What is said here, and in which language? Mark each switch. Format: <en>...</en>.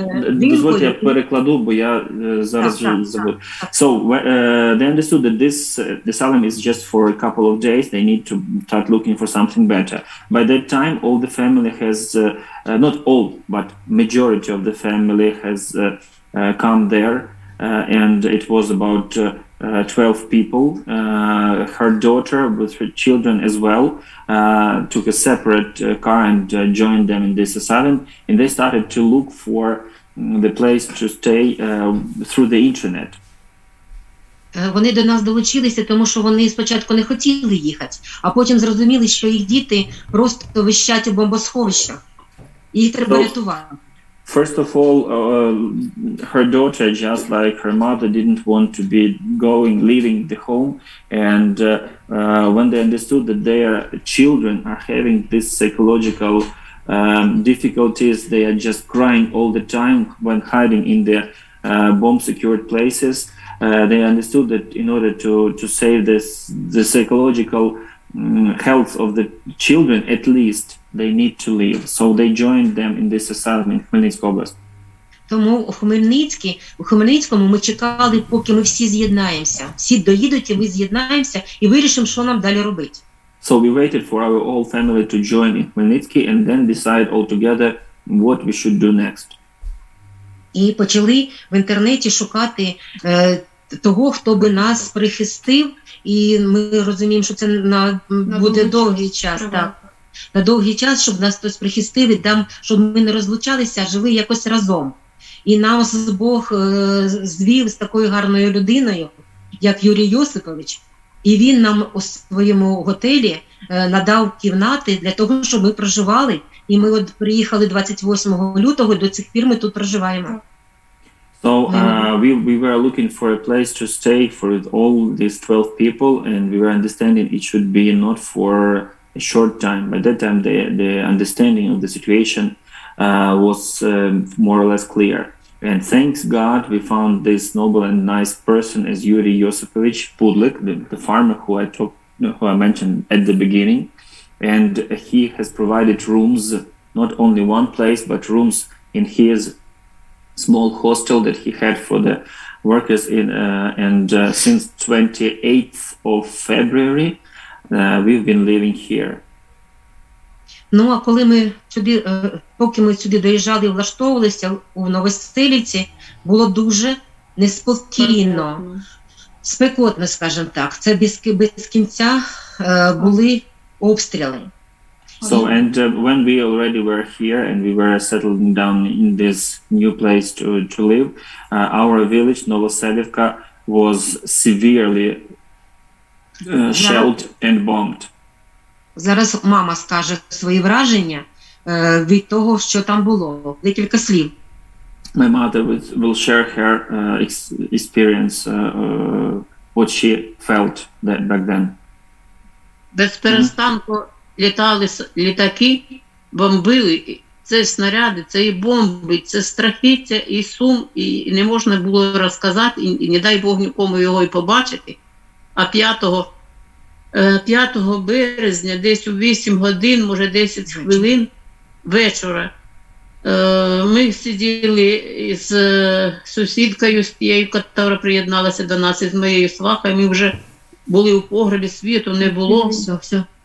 <uk>Дозвольте, я перекладу, бо я зараз вже забув.</uk> <en>So, they understood that this asylum is just for a couple of days. They need to start looking for something better. By that time, all the family has, not all, but majority of the family has... come there, and it was about 12 people. Her daughter with her children as well took a separate car and joined them in this asylum, and they started to look for the place to stay through the internet.</en> <uk>Вони до нас долучилися, тому що вони спочатку не хотіли їхати, а потім зрозуміли, що їх діти просто вищать у бомбосховищах, і їх треба рятувати.</uk> <en>First of all, her daughter, just like her mother, didn't want to be going, leaving the home. And when they understood that their children are having these psychological difficulties, they are just crying all the time when hiding in their bomb-secured places. They understood that in order to save the psychological health of the children, at least, they need to leave. So they joined them in this asylum in Хмельницьку област.</en> <uk>Тому у Хмельницькому ми чекали, поки ми всі з'єднаємося. Всі доїдуть, і ми з'єднаємося, і вирішимо, що нам далі робити. So we waited for our whole family to join in Хмельницький, and then decide all together what we should do next. І почали в інтернеті шукати того, хто би нас прихистив, і ми розуміємо, що це буде довгий час, так. На довгий час, щоб нас хтось прихистив, там, щоб ми не розлучалися, а жили якось разом. І нас Бог звів з такою гарною людиною, як Юрій Йосипович, і він нам у своєму готелі надав кімнати для того, щоб ми проживали. І ми от приїхали 28 лютого, до цих пір ми тут проживаємо.</uk> <en>So we were looking for a place to stay for all these 12 people, and we were understanding it should be not for a short time. By that time, the understanding of the situation was more or less clear. And thanks God, we found this noble and nice person as Yuri Yosipovich Pudlik, the farmer who I mentioned at the beginning. And he has provided rooms, not only one place, but rooms in his small hostel that he had for the workers. Since 28th of February, we've been living here.</en> <uk>Ну, а коли ми сюди, поки ми сюди доїжджали і влаштовувалися у Новоселиці, було дуже неспокійно, спекотно, скажімо так. Це без кінця були обстріли.</uk> <en>So, and when we already were here and we were settling down in this new place to live, our village, Novoselivka, was severely shelled and bombed.</en> <uk>Зараз мама скаже свої враження, від того, що там було. Декілька слів.</uk> <en>My mother will share her experience, what she felt that back then.</en> <uk>Безперестанку літали літаки, бомбили. Це снаряди, це і бомби, це страхіття, і сум, і не можна було розказати, і не дай Бог нікому його і побачити. А 5 березня, десь у 8 годин, може 10 хвилин вечора, ми сиділи з сусідкою, з тією, яка приєдналася до нас, із моєю свахою, ми вже були у погребі, світу не було, все.</uk>